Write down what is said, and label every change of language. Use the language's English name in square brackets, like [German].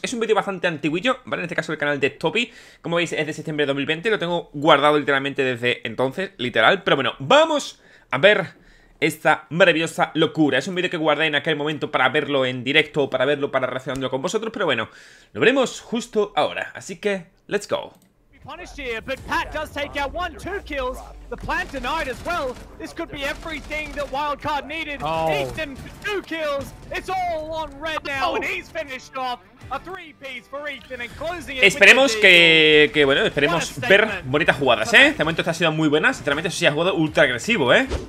[Spanish] Es un vídeo bastante antiguillo, ¿vale? En este caso el canal de Topi, como veis, es de septiembre de 2020, lo tengo guardado literalmente desde entonces, literal. Pero bueno, vamos a ver esta maravillosa locura. Es un vídeo que guardé en aquel momento para verlo en directo o para verlo para reaccionarlo con vosotros, pero bueno, lo veremos justo ahora. Así que, [English] let's go. Punished here, but Pat does take out 1-2 kills. The plant denied as well. This could be everything that Wildcard needed. Oh. Ethan, 2 kills. It's all on red now, and he's finished off. A 3-piece for Ethan and closing it. [Spanish] Esperemos que bueno, esperemos ver bonitas jugadas, ¿eh? De momento esta ha sido muy buena. Sinceramente, eso sí ha jugado ultra agresivo, ¿eh?